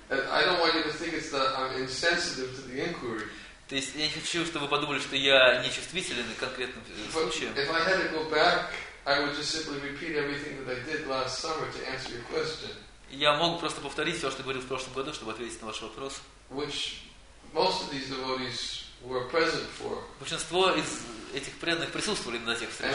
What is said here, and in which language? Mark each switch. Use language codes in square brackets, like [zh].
[en] I don't want you to think it's that I'm insensitive to the inquiry. [ru] То есть я не хочу, чтобы вы подумали, что я не чувствителен к конкретным случаям. [en] If I had to go back, I would just simply repeat everything that I did last summer to answer your question. [ru] Я мог просто повторить все, что говорил в прошлом году, чтобы ответить на ваш вопрос. [en] Which most of these devotees were present for. [ru] Большинство из этих преданных присутствовали на тех встречах.